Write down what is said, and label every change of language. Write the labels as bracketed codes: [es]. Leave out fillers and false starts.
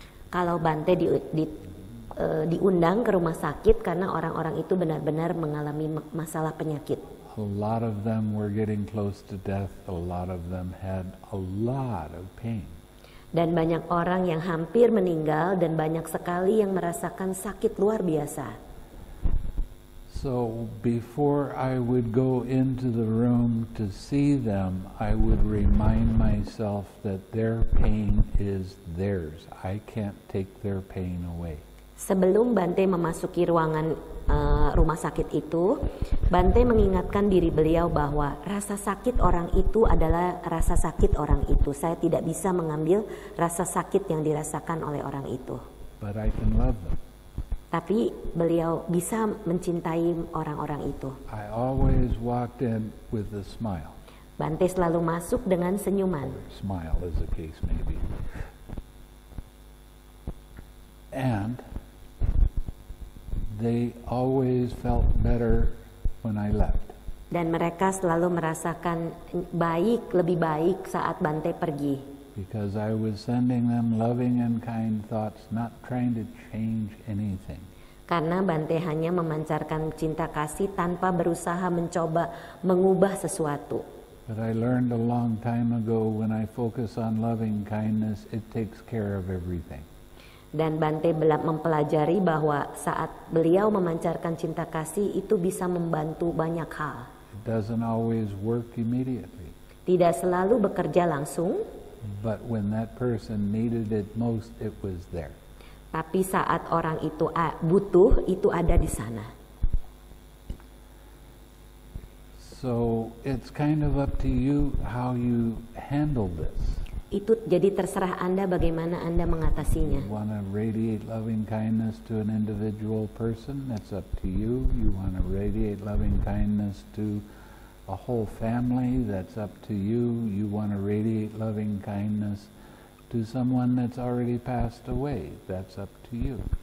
[id] Kalau Bante diundang ke rumah sakit karena orang-orang itu benar-benar mengalami masalah penyakit. [en] A lot of them were getting close to death. A lot of them had a lot of pain. [id] Dan banyak orang yang hampir meninggal dan banyak sekali yang merasakan sakit luar biasa. [en] So before I would go into the room to see them, I would remind myself that their pain is theirs. I can't take their pain away. [id] Sebelum Bante memasuki ruangan rumah sakit itu, Bante mengingatkan diri beliau bahwa rasa sakit orang itu adalah rasa sakit orang itu. Saya tidak bisa mengambil rasa sakit yang dirasakan oleh orang itu. [en] But I can love them. [id] Tapi beliau bisa mencintai orang-orang itu. [en] I always walked in with a smile. [id] Bante selalu masuk dengan senyuman. [en] Or smile is the case maybe. And they always felt better when I left. [id] Dan mereka selalu merasakan baik, lebih baik saat Bante pergi. [en] Because I was sending them loving and kind thoughts, not trying to change anything. [id] Karena Bante hanya memancarkan cinta kasih tanpa berusaha mencoba mengubah sesuatu. [en] But I learned a long time ago when I focus on loving kindness, it takes care of everything. [id] Dan Bante mempelajari bahwa saat beliau memancarkan cinta kasih itu bisa membantu banyak hal. [en] It doesn't always work immediately. [id] Tidak selalu bekerja langsung. [en] But when that person needed it most, it was there. [id] Tapi saat orang itu butuh, itu ada di sana. [en] So it's kind of up to you how you handle this. [id] Itu jadi terserah Anda bagaimana Anda mengatasinya. [en] You want to radiate loving kindness to an individual person, that's up to you. You want to radiate loving kindness to a whole family, that's up to you. You want to radiate loving kindness to someone that's already passed away, that's up to you.